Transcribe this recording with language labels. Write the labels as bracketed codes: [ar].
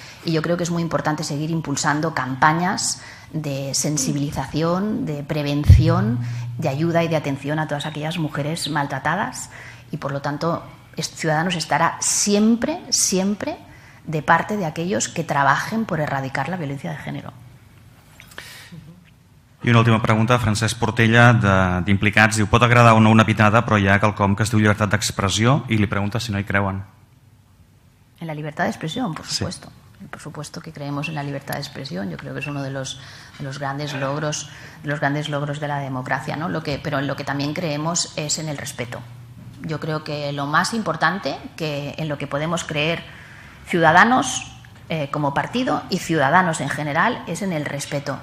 [es] Y yo creo que es muy importante seguir impulsando campañas de sensibilización, de prevención, de ayuda y de atención a todas aquellas mujeres maltratadas. Y por lo tanto, Ciudadanos estará siempre, siempre de parte de aquellos que trabajen por erradicar la violencia de género. [ca] I una última pregunta, Francesc Portella, d'Implicats. Diu: pot agradar o no una pitada, però hi ha quelcom que es diu llibertat d'expressió i li pregunta si no hi creuen. [es] En la libertad de expresión, por supuesto. Sí. Por supuesto que creemos en la libertad de expresión. Yo creo que es uno de los grandes logros de la democracia, ¿no? Pero en lo que también creemos es en el respeto. Yo creo que lo más importante que en lo que podemos creer Ciudadanos como partido y Ciudadanos en general es en el respeto.